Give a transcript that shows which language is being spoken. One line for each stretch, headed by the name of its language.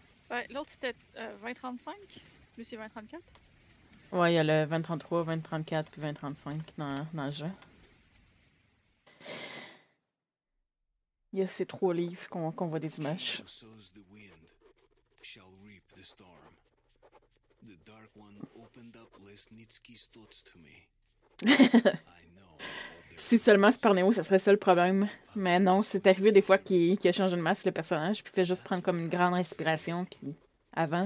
French: Ouais, l'autre c'était 2035, lui c'est 2034. Ouais, il y a le 2033, 2034 puis 2035 dans le jeu. Il y a ces trois livres qu'on voit des images.
English: The wind shall reap the storm. The dark one opened up Lesnitsky's thoughts to me.
French: Si seulement c'est par Neo, ça serait ça le problème. Mais non, c'est arrivé des fois qu'il a changé de masque, le personnage, puis fait juste prendre comme une grande respiration, puis avant.